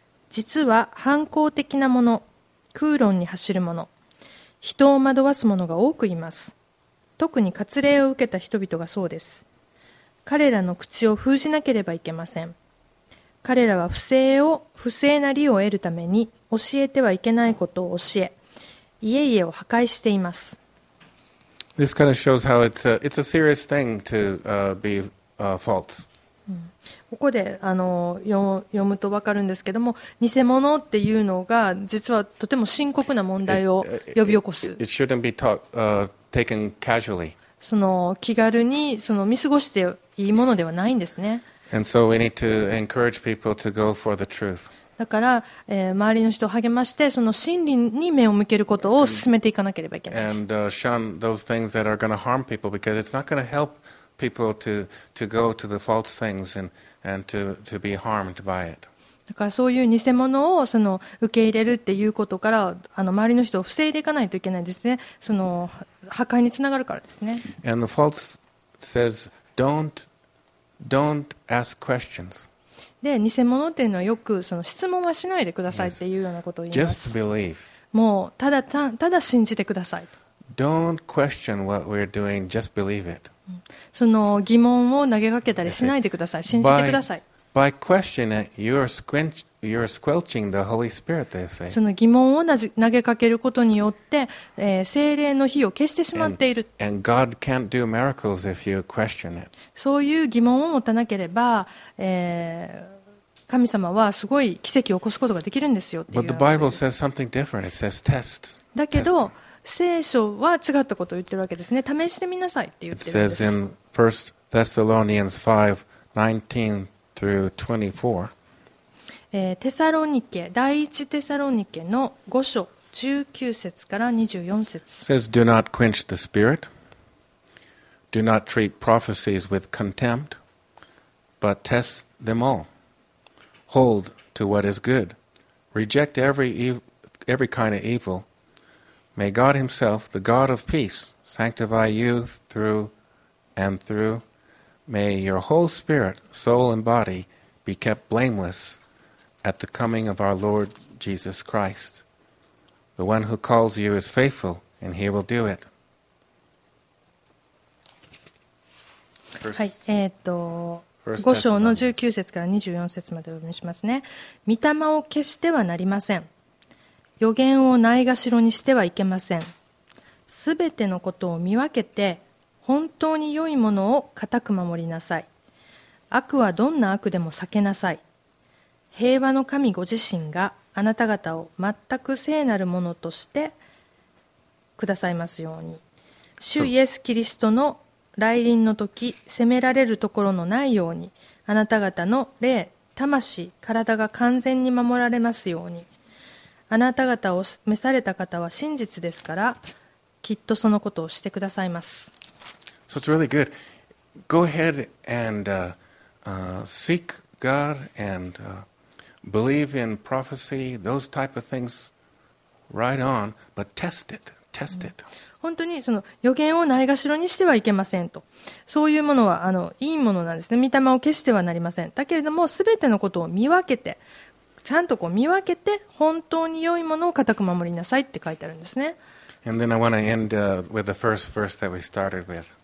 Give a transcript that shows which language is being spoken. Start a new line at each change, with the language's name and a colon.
Japanese: 実は反抗的なもの、空論に走るもの、人を惑わすものが多くいます。特に割礼を受けた人々がそうです。彼らの口を封じなければいけません。彼らは不正な利を得るために教えてはいけないことを教え、家々を破壊しています。
English: This kind of shows how it's a serious thing to be false.
Japanese: ここで読むと分かるんですけども、偽物っていうのが実はとても深刻な問題を呼び起こす。
English: It shouldn't be taken casually.
Japanese: その気軽にその見過ごしていいものではないんですね。
English: And so we need to encourage people to go for the truth.
Japanese: だから、周りの人を励まして、その真理に目を向けることを進めていかなければいけないです。
English: And shun those things that are going to harm people, because it's not going to help people to go to the false things and to be harmed by it.
Japanese: だからそういう偽物をその受け入れるっていうことから、周りの人を防いでいかないといけないですね。その破壊につながるからですね。
English: And the false says, Don't ask questions.
Japanese: で、偽物っていうのはよくその質問はしないでくださいっていうようなことを言います。
English: Just believe.
Japanese: もうただ信じてください。
English: Don't question what we're doing. Just believe it.
Japanese: その疑問を投げかけたりしないでください。信じてください。
English: By questioning it, you're squelching the Holy Spirit, they say.
Japanese: その疑問を投げかけることによって、聖霊の火を消してしまっている。
English: And God can't do miracles if you question it.
Japanese: そういう疑問を持たなければ、神様はすごい奇跡を起こすことができるんですよ。
English: But the Bible says something different. It says test.
Japanese: だけど、聖書は違ったことを言ってるわけですね。試してみなさいって言ってるんです。
English: It says in 1 Thessalonians 5:19-24.
Japanese: テサロニケ第一テサロニケの5章19節から24節
English: says, Do not quench the spirit. Do not treat prophecies with contempt, but test them all. Hold to what is good. Reject every kind of evil. May God himself, the God of peace, sanctify you through and through. May your whole spirit, soul and body be kept blamelessAt the coming of our Lord Jesus Christ. The one who calls you is faithful, and he will do it.
Japanese: はい、5章の19節から24節までお読みしますね。御霊を消してはなりません。予言をないがしろにしてはいけません。すべてのことを見分けて、本当に良いものを固く守りなさい。悪はどんな悪でも避けなさい。平和の神ご自身があなた方を全く聖なるものとしてくださいますように。主イエス・キリストの来臨の時、責められるところのないように、あなた方の霊、魂、体が完全に守られますように。あなた方を召された方は真実ですから、きっとそのことをしてくださいます。
English: So it's really good. Go ahead and seek God and believe in prophecy, those type of things, right on, but test it, test it.
Japanese: 本当にその予言をないがしろにしてはいけませんと。そういうものはいいものなんですね。御霊を消してはなりません。だけれども、すべてのことを見分けて、ちゃんとこう見分けて、本当に良いものを固く守りなさいって書いてあるんですね。
English: And then I want to end with the first verse that we started with.